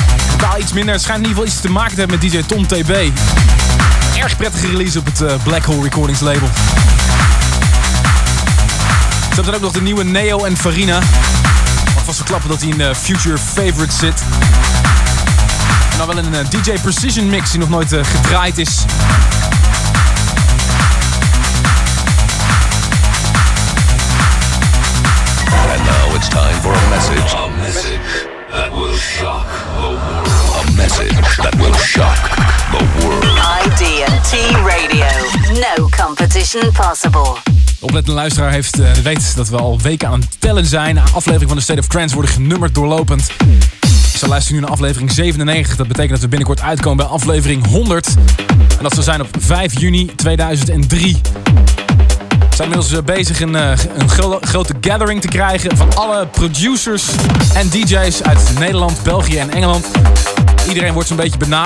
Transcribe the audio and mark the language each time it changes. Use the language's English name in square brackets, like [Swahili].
[Dutch] Totaal iets minder. Het schijnt in ieder geval iets te maken te hebben met DJ Tom TB. Erg prettige release op het Black Hole Recordings label. Ze hebben dan ook nog de nieuwe Neo en Farina. Mag vast verklappen dat hij in de Future Favorites zit. En dan wel een DJ Precision mix die nog nooit gedraaid is. [English] And now it's time for a message. A message that will shock the world. A message that will shock the world. ID&T Radio. No competition possible. [Dutch] Oplettende luisteraar heeft weet dat we al weken aan het tellen zijn. Aflevering van de State of Trance worden genummerd doorlopend. Ze luisteren nu naar aflevering 97. Dat betekent dat we binnenkort uitkomen bij aflevering 100. En dat zal zijn op 5 juni 2003. We zijn inmiddels bezig een grote gathering te krijgen van alle producers en DJ's uit Nederland, België en Engeland. Iedereen wordt zo'n beetje benaderd.